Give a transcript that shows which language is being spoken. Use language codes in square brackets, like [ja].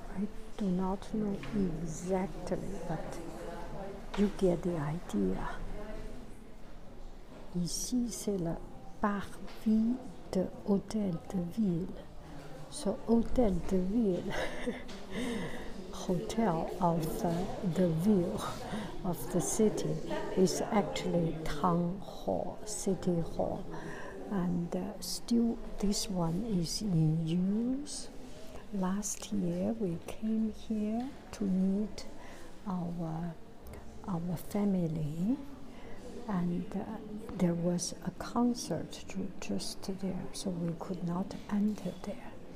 [en] I do not know exactly, but you get the idea. [fr] Ici, c'est le parvis de Hôtel de Ville. [en] So, Hôtel de Ville. Hotel of the view of the city is actually town hall, city hall, and still this one is in use. Last year we came here to meet our family, and there was a concert just there, so we could not enter there.